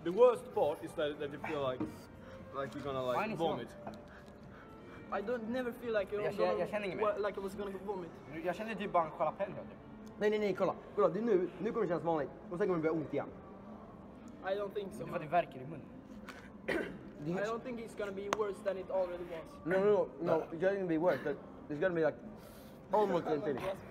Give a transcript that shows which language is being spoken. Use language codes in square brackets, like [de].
[en] The worst part is that you feel like you're gonna like vomit. I don't never feel like you're like I was gonna vomit. [sv] Jag känner typ bara en jalapeno. Nej, kolla. Det är nu kommer det kännas vanligt. Och sen kommer det bli ont igen. [en] I don't think so. [sv] Det verkar i munnen. [en] I don't think it's gonna be worse than it already was. No. It's not gonna be worse. But it's gonna be like almost the same thing.